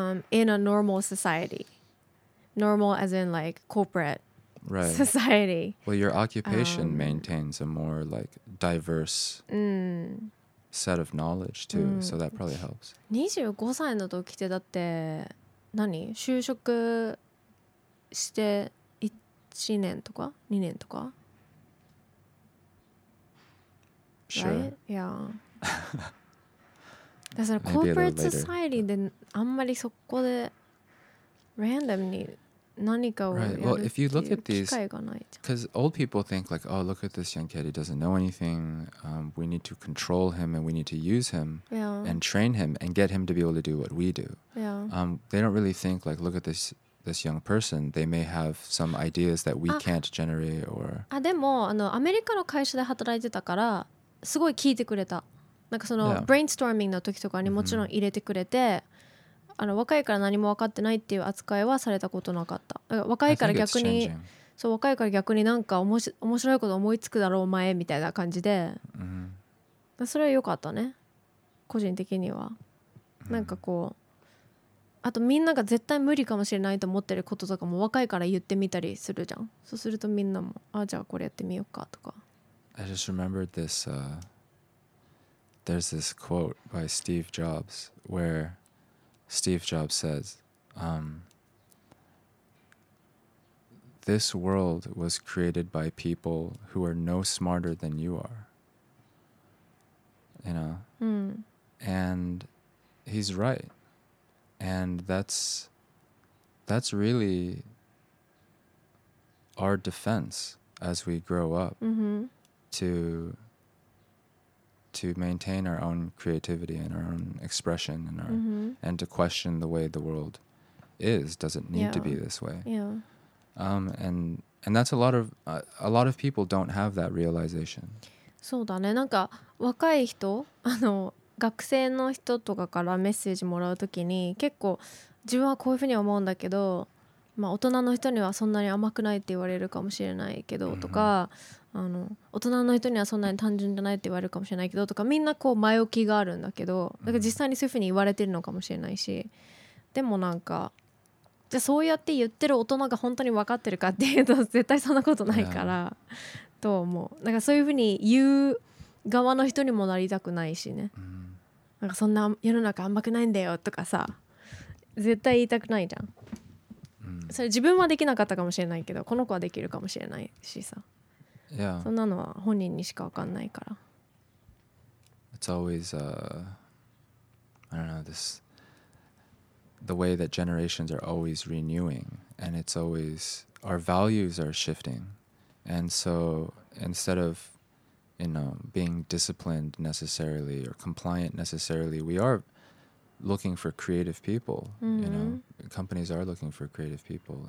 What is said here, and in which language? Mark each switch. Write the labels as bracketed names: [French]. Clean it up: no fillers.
[English] In a normal society. Normal as in like corporate right. society. Well, your occupation maintains a more like diverse set of knowledge too, so that probably helps. [Japanese] 25歳の時ってだって何？就職して1年とか2年とか [English] Sure. Right? Yeah. [Japanese] だからコーポレートソサイエティであんまりそこでランダムに何かをやるっていう機会がないじゃん。 [English] Right. Well, if you look at these, old people think like, oh, look at this young kid, he doesn't know anything. We need to control him and we need to use him yeah. and train him and get him to be able to do what we do. Yeah. They don't really think like, look at this young person. They may have some ideas that we can't generate or. [Japanese] あ、でもあのアメリカの会社で働いてたからすごい聞いてくれた。なんかその、yeah. brainstorming の時とかにもちろん入れてくれて。Mm-hmm. あの若いから何も分かってないっていう扱いはされたことなかった。だから若いから逆に、そう若いから逆になんか面白いこと思いつくだろうお前みたいな感じで、 mm-hmm. それは良かったね個人的には、mm-hmm. なんかこうあとみんなが絶対無理かもしれないと思ってることとかも若いから言ってみたりするじゃん。そうするとみんなもあじゃあこれやってみようかとか。 [English] I just remembered this there's this quote by Steve Jobs whereSteve Jobs says, this world was created by people who are no smarter than you are. You know? And he's right. And that's really our defense as we grow up to maintain our own creativity and our own expression and our, and to question the way the world is. Does it need to be this way? Yeah. And that's a lot of people don't have that realization. [Japanese] そうだね。なんか若い人、あの学生の人とかからメッセージもらうときに結構自分はこういうふうに思うんだけど、まあ大人の人にはそんなに甘くないって言われるかもしれないけどとか、あの大人の人にはそんなに単純じゃないって言われるかもしれないけどとか、みんなこう前置きがあるんだけど、だから実際にそういうふうに言われてるのかもしれないし、でもなんかじゃあそうやって言ってる大人が本当に分かってるかっていうと絶対そんなことないからと思う。なんかそういうふうに言う側の人にもなりたくないしね。なんかそんな世の中甘くないんだよとかさ絶対言いたくないじゃん。それ自分はできなかったかもしれないけど、この子はできるかもしれないしさ。 [English] Yeah. [Japanese] そんなのは本人にしかわかんないから。 [English] It's always, I don't know, this, the way that generations are always renewing, and it's always, our values are shifting. And so instead of, you know, being disciplined necessarily or compliant necessarily, we are looking for creative people, mm-hmm. you know, companies are looking for creative people.